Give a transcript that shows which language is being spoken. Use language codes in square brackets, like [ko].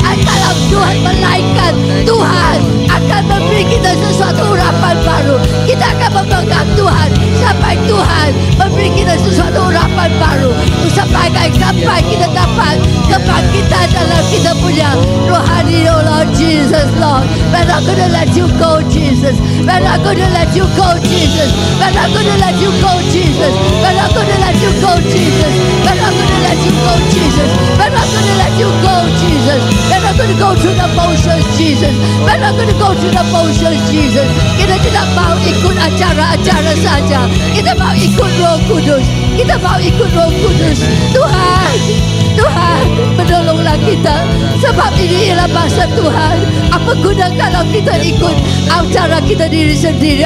[ms] Kalau Tuhan melainkan, Tuhan akan memberi kita sesuatu urapan baru. Kita akan memegang Tuhan sampai Tuhan memberi kita sesuatu urapan baru. Sampai kita dapat kebangkitan dalam kita punya rohani. [en] Oh Lord Jesus, Lord, we're not gonna let you go, Jesus. We're not gonna let you go, Jesus. We're not gonna let you go, Jesus. We're not gonna let you go, Jesus. We're not gonna let you go, Jesus. We're not gonna let you go, Jesus. We're not gonna go through the motions, Jesus. We're not gonna go through the motions, Jesus. [ms] Kita tidak mau ikut acara-acara saja. Kita mau ikut Roh Kudus. Kita mau ikut Roh Kudus. Tuhan, Tuhan, menolonglah kita. Sebab ini ialah bahasa Tuhan. Apa guna kalau kita ikut acara kita diri sendiri?